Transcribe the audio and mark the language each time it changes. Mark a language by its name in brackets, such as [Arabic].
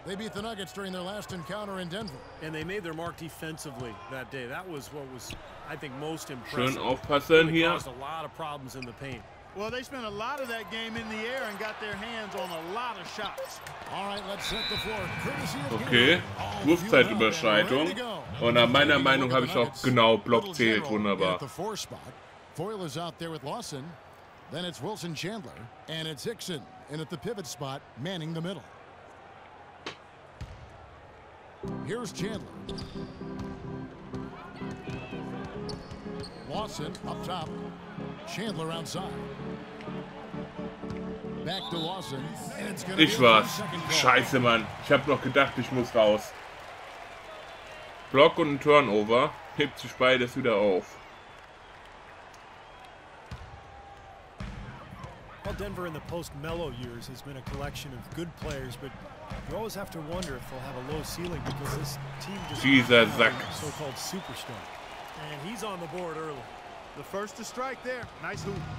[English] They beat the Nuggets during their last encounter in Denver. And they made their mark defensively that day. That was what was, I think, most impressive. [German] Schön aufpassen hier. [English] Caused a lot of problems in the paint. Well, they spent a lot of that game in the air and got their hands on a lot of shots. All right, let's set the floor. [German] Okay, Wurfzeitüberschreitung. Und nach meiner Meinung habe ich auch genau Block zählt. Wunderbar. [English] Foyle is out there with Lawson. Then it's Wilson Chandler and it's Hickson. And at the pivot spot, manning the middle. Here's Chandler. Lawson up top. Chandler outside. Back to Lawson. [German] Ich war's. Scheiße, Mann. Ich hab noch gedacht, ich muss raus. Block und ein Turnover. Hebt sich beides wieder auf. [English] Well, Denver in the post-Mellow years has been a collection of good players, but you always have to wonder if they'll have a low ceiling because this team just has a so-called superstar. And he's on the board early. The first to strike there. Nice hoop.